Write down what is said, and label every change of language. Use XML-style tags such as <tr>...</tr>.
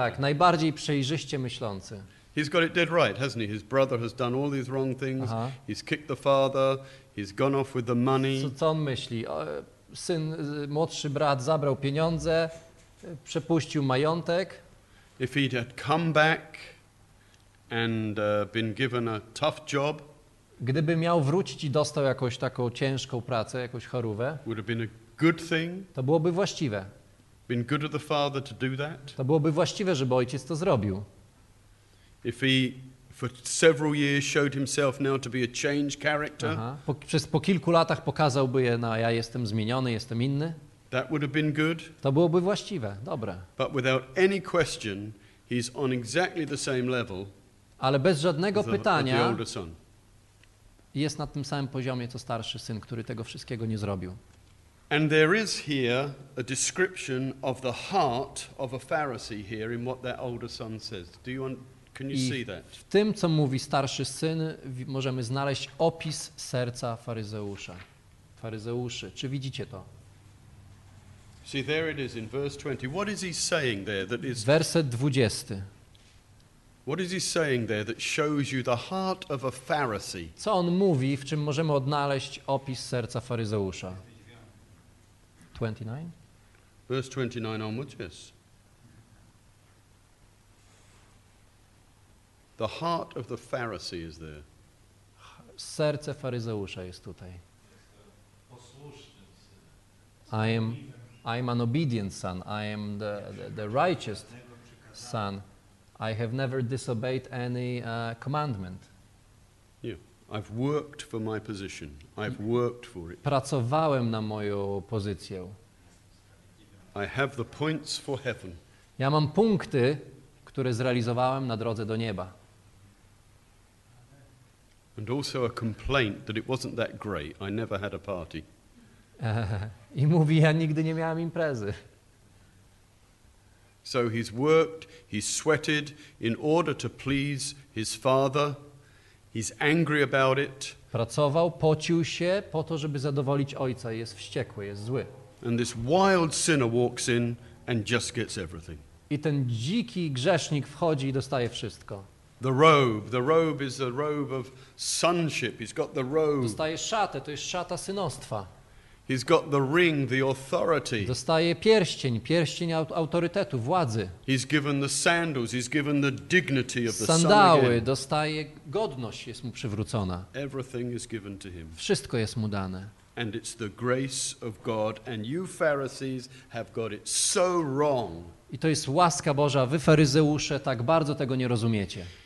<pl>Tak, najbardziej przejrzyście myślący.</pl> <en>He's got it dead right, hasn't he? His brother has done all these wrong things. Aha. He's kicked the father. He's gone off with the money.</en> <pl>Co on myśli? Syn, młodszy brat zabrał pieniądze, przepuścił majątek.</pl> <en>If he had come back and been given a tough job,</en> <pl>gdyby miał wrócić i dostał jakąś taką ciężką pracę, jakąś chorówę,</pl> <en>would have been a good thing.</en> <pl>To byłoby właściwe.</pl> <en>Been good of the father to do that.</en> <pl>To byłoby właściwe, żeby ojciec to zrobił.</pl> <en>If he for several years showed himself now to be a changed character. Aha.</en> <pl>Po kilku latach pokazałby je, no, ja jestem zmieniony, jestem inny.</pl> <en>That would have been good.</en> <pl>To byłoby właściwe, dobre.</pl> <en>But without any question, he's on exactly the same level.</en> <pl>Ale bez żadnego pytania.</pl> <en>The older son.</en> <pl>Jest na tym samym poziomie co starszy syn, który tego wszystkiego nie zrobił.</pl> <en>And there is here a description of the heart of a Pharisee here in what that older son says. Do you want? Can you see that?</en> <pl>W tym, co mówi starszy syn, możemy znaleźć opis serca faryzeusza. Faryzeuszy, czy widzicie to?</pl> <en>See, there it is in verse 20. What is he saying there that is?</en> <pl>Werset 20.</pl> <en>What is he saying there that shows you the heart of a Pharisee?</en> <pl>Co on mówi, w czym możemy odnaleźć opis serca faryzeusza? 29?</pl> <en>Verse 29 onwards, yes. The heart of the Pharisee is there.</en> <pl>Serce faryzeusza jest tutaj.</pl> <en>I am an obedient son. I am the righteous son. I have never disobeyed any commandment. Yeah. I've worked for my position. I've worked for it.</en> <pl>Pracowałem na moją pozycję.</pl> <en>I have the points for heaven.</en> <pl>Ja mam punkty, które zrealizowałem na drodze do nieba.</pl> <en>And also a complaint that it wasn't that great. I never had a party.</en> <pl>I mówi, ja nigdy nie miałem imprezy.</pl> <en>So he's worked, he's sweated in order to please his father. He's angry about it.</en> <pl>Pracował, pocił się po to, żeby zadowolić ojca. Jest wściekły, jest zły.</pl> <en>And this wild sinner walks in and just gets everything.</en> <pl>I ten dziki grzesznik wchodzi i dostaje wszystko.</pl> <en>The robe is the robe of sonship. He's got the robe.</en> <pl>Dostaje szatę, to jest szata synostwa.</pl> <en>He's got the ring, the authority.</en> <pl>Dostaje pierścień, pierścień autorytetu, władzy.</pl> <en>He's given the sandals, he's given the dignity of the son.</en> <pl>Sandały, dostaje godność, jest mu przywrócona.</pl> <en>Everything is given to him.</en> <pl>Wszystko jest mu dane.</pl> <en>And it's the grace of God, and you Pharisees have got it so wrong.</en> <pl>I to jest łaska Boża, wy faryzeusze tak bardzo tego nie rozumiecie.</pl>